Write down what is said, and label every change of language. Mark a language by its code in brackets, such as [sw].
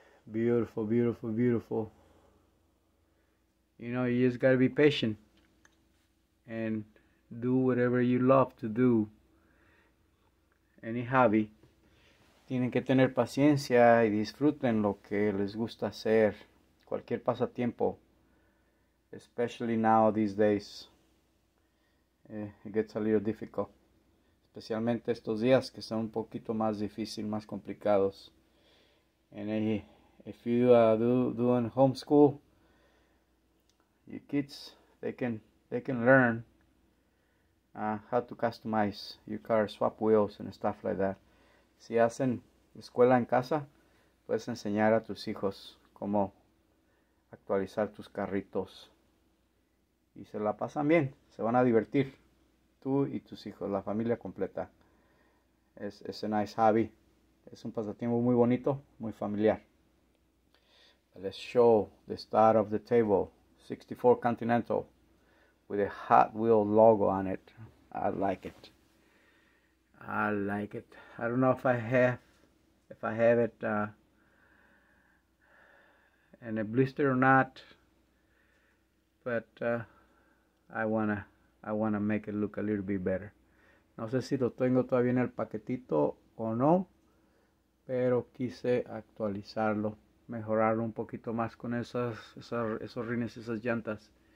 [en] Beautiful, beautiful, beautiful. You know, you just gotta be patient. And do whatever you love to do. Any hobby. [es] Tienen que tener paciencia y disfruten lo que les gusta hacer. Cualquier pasatiempo. [en] Especially now, these days, it gets a little difficult. [es] Especialmente estos días que son un poquito más difícil, más complicados. [en] And if you doing homeschool, your kids, they can learn how to customize your car, swap wheels and stuff like that. [es] Si hacen escuela en casa, puedes enseñar a tus hijos cómo actualizar tus carritos. Y se la pasan bien, se van a divertir, tú y tus hijos, la familia completa. Es [en] a nice hobby, [es] es un pasatiempo muy bonito, muy familiar. [en] Let's show the start of the table, 64 Continental, with a Hot Wheel logo on it. I like it. I don't know if I have it in a blister or not, but... I wanna make it look a little bit better. [es] No sé si lo tengo todavía en el paquetito o no, pero quise actualizarlo, mejorarlo un poquito más con esos rines, esas llantas.